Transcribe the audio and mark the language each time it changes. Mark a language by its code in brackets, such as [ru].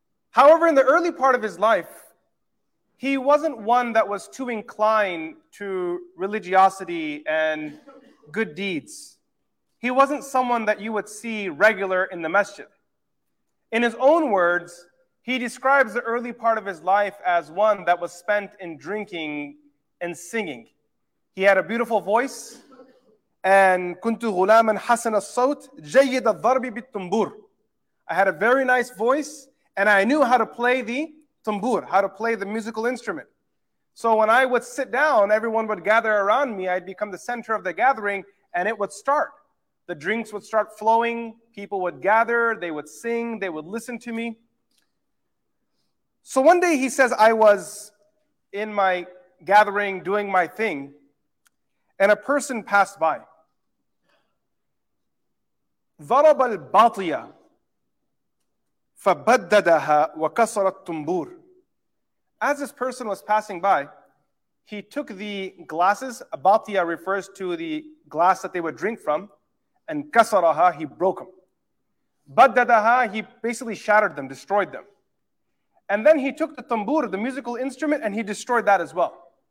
[en] However, in the early part of his life, he wasn't one that was too inclined to religiosity and good deeds. He wasn't someone that you would see regular in the masjid. In his own words, he describes the early part of his life as one that was spent in drinking and singing. He had a beautiful voice, and [ar] كنت غلاما حسن الصوت جيد الضرب بالتنبور. [en] I had a very nice voice, and I knew how to play the tambur, how to play the musical instrument. So when I would sit down, everyone would gather around me, I'd become the center of the gathering, and it would start. The drinks would start flowing, people would gather, they would sing, they would listen to me. So one day he says, I was in my gathering doing my thing, and a person passed by. [ar] ضرب الباطية فبددها وكسر التنبور. [en] As this person was passing by, he took the glasses, a batiya refers to the glass that they would drink from, and kasaraha, he broke them. Baddadaha, he basically shattered them, destroyed them. And then he took the tambur, the musical instrument, and he destroyed that as well.